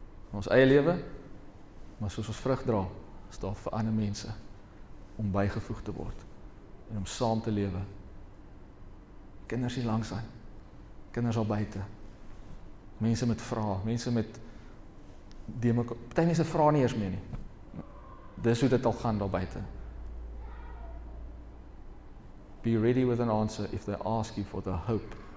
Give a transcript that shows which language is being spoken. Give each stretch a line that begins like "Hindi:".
Afrikaans: In ons eie lewe, maar soos ons vrug dra, is daar vir ander mense om bygevoeg te word en om saam te lewe. Kinders hier langs aan, kinders al buite, mense met vrae, mense met party mense vra nie eers meer nie. Dis hoe dit al gaan daar buite.
English: Be ready with an answer if they ask you for the hope.